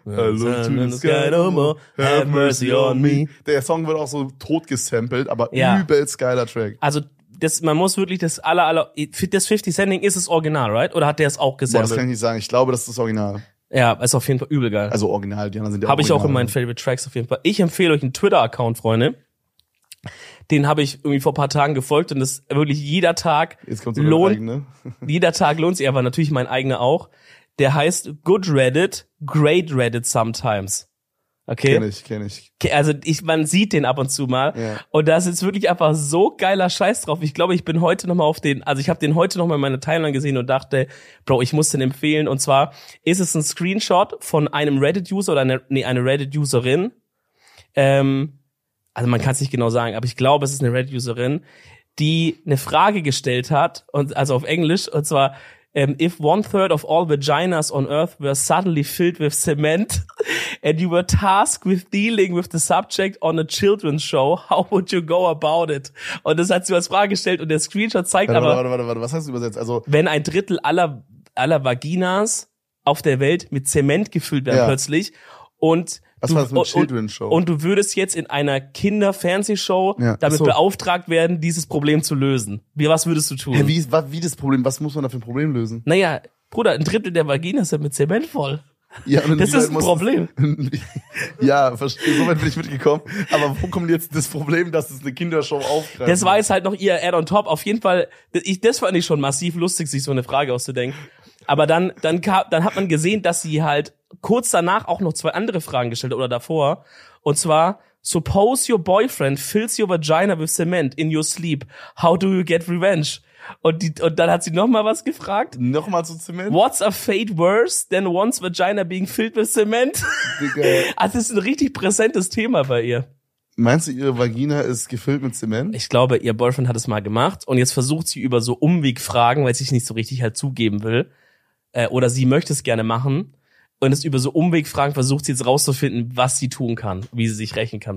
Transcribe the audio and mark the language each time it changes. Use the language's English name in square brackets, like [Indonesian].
[English] I look to the sky no more, have mercy on me. [German] Der Song wird auch so tot gesampelt, aber übelst geiler Track. Also, man muss wirklich das 50 Cent-Ding ist das Original, right? Oder hat der es auch gesampelt? Boah, das kann ich nicht sagen, ich glaube, das ist das Original. Ja, ist auf jeden Fall übel geil. Also Original, die anderen sind ja auch Original. Habe ich auch in meinen Favorite Tracks auf jeden Fall. Ich empfehle euch einen Twitter-Account, Freunde. Den habe ich irgendwie vor ein paar Tagen gefolgt und das wirklich jeder Tag lohnt. Jeder Tag lohnt sich, aber natürlich mein eigener auch. Der heißt Good Reddit, Great Reddit Sometimes. Okay. Kenn ich. Also man sieht den ab und zu mal. Yeah. Und da ist jetzt wirklich einfach so geiler Scheiß drauf. Ich glaube, ich bin heute nochmal ich habe den heute nochmal in meiner Timeline gesehen und dachte, Bro, ich muss den empfehlen. Und zwar ist es ein Screenshot von einem Reddit-User oder eine Reddit-Userin. Also man kann es nicht genau sagen, aber ich glaube, es ist eine Reddit-Userin, die eine Frage gestellt hat, und also auf Englisch, und zwar, [English] if 1/3 of all vaginas on earth were suddenly filled with cement, and you were tasked with dealing with the subject on a children's show, how would you go about it? [German] Und das hat sie als Frage gestellt und der Screenshot zeigt warte, aber... Warte, was heißt das übersetzt? Also, wenn ein Drittel aller Vaginas auf der Welt mit Zement gefüllt werden plötzlich und... Was war das mit Children's Show? Und du würdest jetzt in einer Kinderfernsehshow damit beauftragt werden, dieses Problem zu lösen. Was würdest du tun? Hey, wie das Problem? Was muss man da für ein Problem lösen? Naja, Bruder, ein Drittel der Vagina ist ja mit Zement voll. Ja, und das ist ein Problem. Ja, verstehe. Soweit bin ich mitgekommen. Aber wo kommt jetzt das Problem, dass es eine Kindershow aufgreift? Das war jetzt halt noch ihr Add on top. Auf jeden Fall, das fand ich schon massiv lustig, sich so eine Frage auszudenken. Aber dann hat man gesehen, dass sie halt kurz danach auch noch zwei andere Fragen gestellt oder davor. Und zwar, [English] suppose your boyfriend fills your vagina with cement in your sleep. How do you get revenge? [German] Und dann hat sie nochmal was gefragt. Nochmal zu Zement? [English] What's a fate worse than one's vagina being filled with cement? [German] Also das ist ein richtig präsentes Thema bei ihr. Meinst du, ihre Vagina ist gefüllt mit Zement? Ich glaube, ihr Boyfriend hat es mal gemacht. Und jetzt versucht sie über so Umwegfragen, weil sie sich nicht so richtig halt zugeben will. Oder sie möchte es gerne machen. Und es über so Umwegfragen versucht sie jetzt rauszufinden, was sie tun kann, wie sie sich rächen kann.